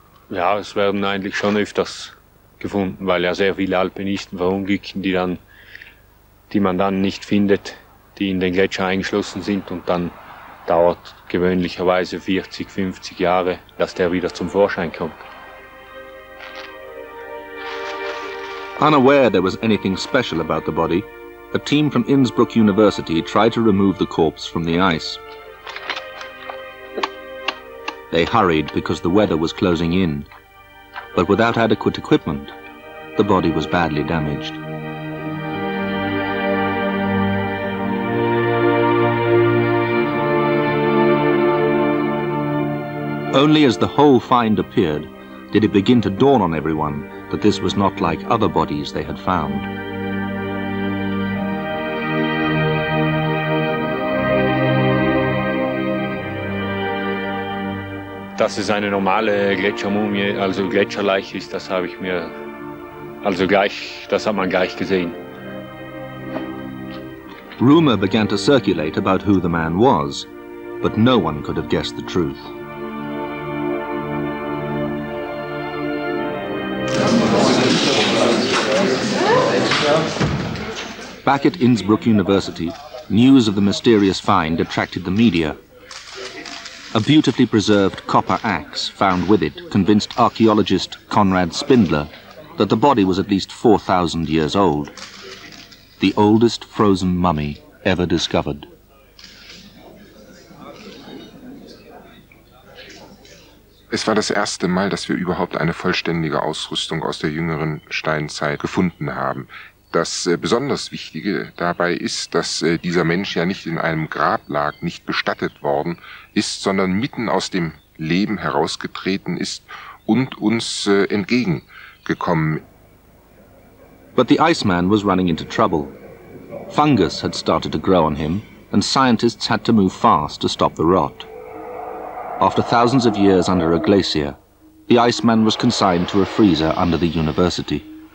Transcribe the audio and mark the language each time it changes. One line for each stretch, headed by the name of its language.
German: Ja, es werden eigentlich schon öfters gefunden, weil ja sehr viele Alpinisten verunglücken, die dann die man dann nicht findet, die in den Gletscher eingeschlossen sind, und dann dauert gewöhnlicherweise 40, 50 Jahre, dass der wieder zum Vorschein kommt.
English: Unaware there was anything special about the body, a team from Innsbruck University tried to remove the corpse from the ice. They hurried because the weather was closing in, but without adequate equipment, the body was badly damaged. Only as the whole find appeared, did it begin to dawn on everyone that this was not like other bodies they had found.
German: Dass es eine normale Gletschermumie, also Gletscherleiche ist, das habe ich mir, also gleich, das hat man gleich gesehen.
English: Rumor began to circulate about who the man was, but no one could have guessed the truth. Back at Innsbruck University, news of the mysterious find attracted the media. A beautifully preserved copper axe found with it convinced archaeologist Konrad Spindler that the body was at least 4,000 years old, the oldest frozen mummy ever discovered.
German: Es war das erste Mal, dass wir überhaupt eine vollständige Ausrüstung aus der jüngeren Steinzeit gefunden haben. Das besonders Wichtige dabei ist, dass dieser Mensch ja nicht in einem Grab lag, nicht bestattet worden ist, sondern mitten aus dem Leben herausgetreten ist und uns entgegengekommen.
English: But the Iceman was running into trouble. Fungus had started to grow on him, and scientists had to move fast to stop the rot. After thousands of years under a glacier, the Iceman was consigned to a freezer under the university.